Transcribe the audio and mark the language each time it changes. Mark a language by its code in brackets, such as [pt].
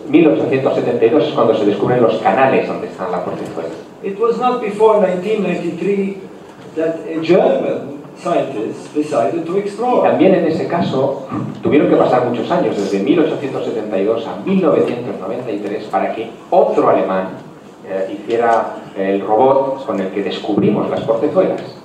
[es] 1872 es cuando se descubren los canales donde están la puerta y fuera. [en] it was not before 1993 that a German scientist decided to explore. [es] Y también en ese caso tuvieron que pasar muchos años, desde 1872 a 1993, para que otro alemán hiciera el robot con el que descubrimos las portezuelas.